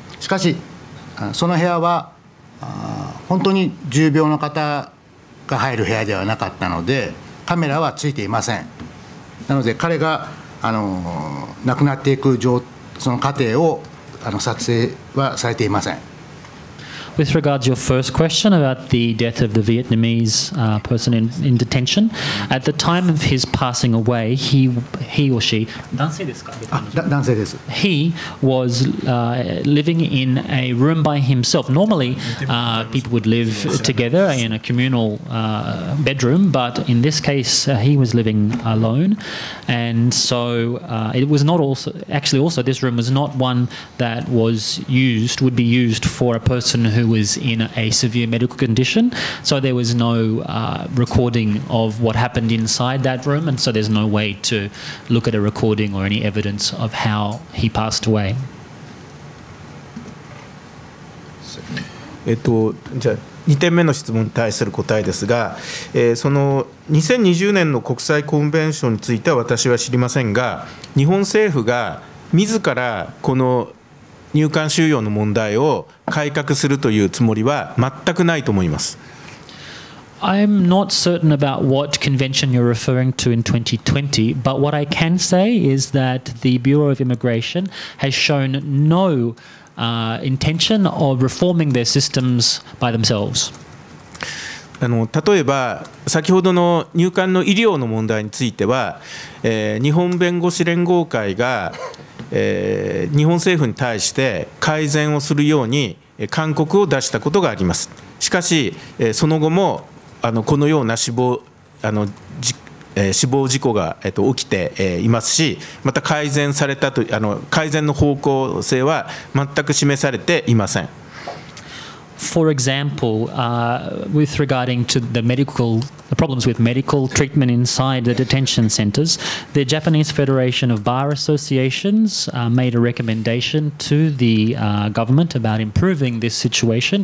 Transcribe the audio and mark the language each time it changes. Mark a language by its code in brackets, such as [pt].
[ja] しかしその部屋は本当に重病の方が入る部屋ではなかったので、カメラはついていません。なので彼が亡くなっていく状その過程を撮影はされていません。 [en] With regards to your first question about the death of the Vietnamese person in detention, at the time of his passing away, he or she [ja] 男性ですか。あ、男性です。 [en] He was living in a room by himself. Normally, people would live together in a communal bedroom, but in this case, he was living alone. And so it was not also, actually also this room was not one that was used, would be used for a person who was in a severe medical condition. So there was no recording of what happened inside that room. And so there's no way to look at a recording or any evidence of how he passed away. [ja] 2点目の質問に対する答えですが、その2020年の国際コンベンションについては私は知りませんが、日本政府が自らこの入管収容の問題を改革するというつもりは全くないと思います。 [en] I'm not certain about what convention you're referring to in 2020, but what I can say is that the Bureau of Immigration has shown nointention of reforming their systems by themselves. [ja] 例えば先ほどの入管の医療の問題については、日本弁護士連合会が、日本政府に対して改善をするように勧告を出したことがあります。しかし、その後もこのような死亡事故が起きていますし、また改善されたと改善の方向性は全く示されていません。 [en] For example, with regarding to the medical the problems with medical treatment inside the detention centers, the Japanese Federation of Bar Associations made a recommendation to the government about improving this situation.